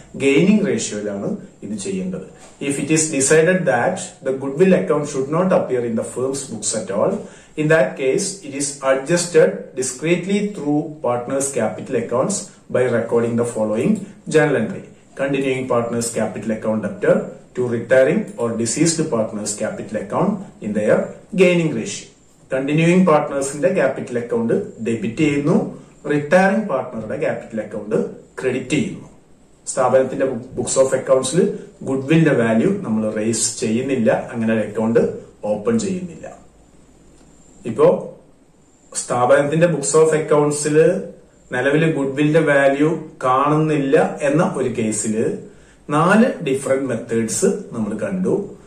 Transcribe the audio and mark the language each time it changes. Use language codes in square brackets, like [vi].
[ml] Gaining റേഷ്യോയിലാണ് ഇത് ചെയ്യേണ്ടത്. [en] If it is decided that the goodwill account should not appear in the firm's books at all, in that case it is adjusted discreetly through partners' capital accounts by recording the following journal entry. Continuing partners' capital account debtor to retiring or deceased partners' capital account in their gaining ratio. Continuing partners in the capital account debit ചെയ്യുന്നു, retiring partner in the capital account credit ചെയ്യുന്നു. [ml] സ്ഥാപനത്തിന്റെ books of accounts ല് goodwill ന്റെ value നമ്മൾ rice ചെയ്യുന്നില്ല, അങ്ങനെ account open ചെയ്യുന്നില്ല. ഇപ്പോ സ്ഥാപനത്തിന്റെ books of accounts ല് നിലവിലെ ഗുഡ്വില്ലിന്റെ വാല്യൂ കാണുന്നില്ല എന്ന ഒരു കേസിൽ നാല് ഡിഫറന്റ് മെത്തേഡ്സ് നമ്മൾ കണ്ടു.